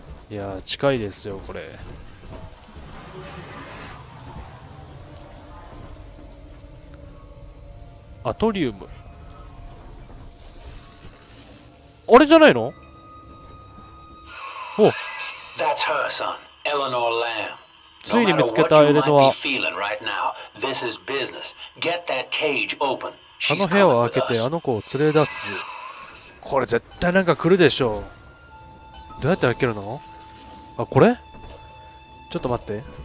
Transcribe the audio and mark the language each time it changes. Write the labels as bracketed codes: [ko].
[ja] いやー、近いですよこれ。アトリウム、あれじゃないの。お、 [en] That's her son, Eleanor Lamb. [ja] ついに見つけたエレノア。あの部屋を開けてあの子を連れ出す。これ絶対なんか来るでしょう。どうやって開けるの？あ、これ？ちょっと待って。